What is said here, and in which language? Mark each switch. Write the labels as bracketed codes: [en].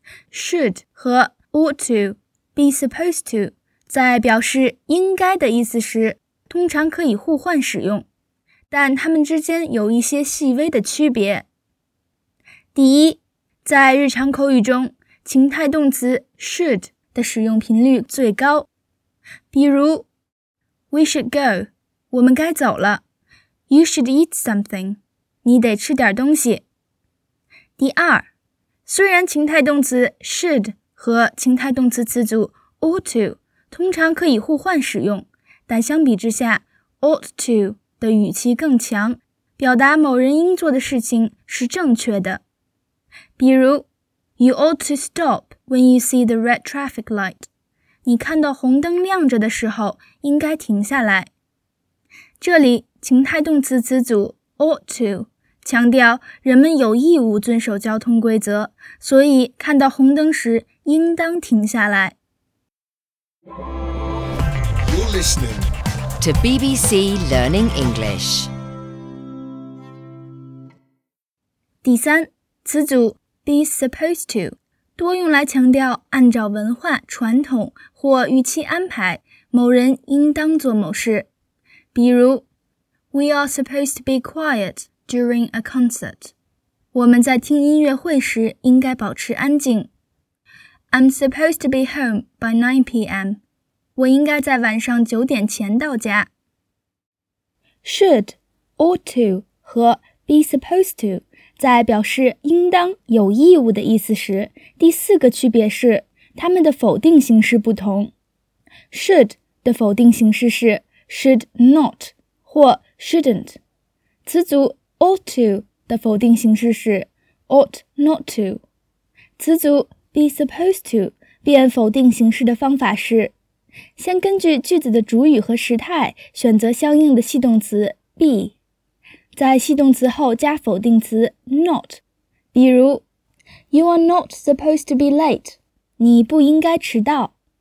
[zh] should 和 ought to, be supposed to 在表示应该的意思时通常可以互换使用，但它们之间有一些细微的区别。第一，在日常口语中，情态动词 should 的使用频率最高。比如 , [en] we should go, [zh] 我们该走了。 [en] You should eat something, [zh] 你得吃点东西。第二，虽然情态动词 should 和情态动词词组 ought to 通常可以互换使用，但相比之下 ,ought to 的语气更强，表达某人应做的事情是正确的。 [en] 比如 ,you ought to stop when you see the red traffic light. [zh] 你看到红灯亮着的时候应该停下来。这里情态动词词组 ought to 强调人们有义务遵守交通规则，所以看到红灯时应当停下来。 [en] You're listening to BBC Learning English. [zh] 第三，词组be supposed to 多用来强调按照文化传统或预期安排某人应当做某事。 [en] 比如 ,we are supposed to be quiet during a concert. [zh] 我们在听音乐会时应该保持安静。 [en] I'm supposed to be home by 9 p.m. [zh] 我应该在晚上九点前到家。should, ought to 和 be supposed to在表示应当有义务的意思时，第四个区别是它们的否定形式不同。 should 的否定形式是 should not 或 shouldn't。词组 ought to 的否定形式是 ought not to。词组 be supposed to 变否定形式的方法是先根据句子的主语和时态选择相应的系动词 be。在系动词后加否定词 not， 比如 ， [en] You are not supposed to be late， [zh] 你不应该迟到。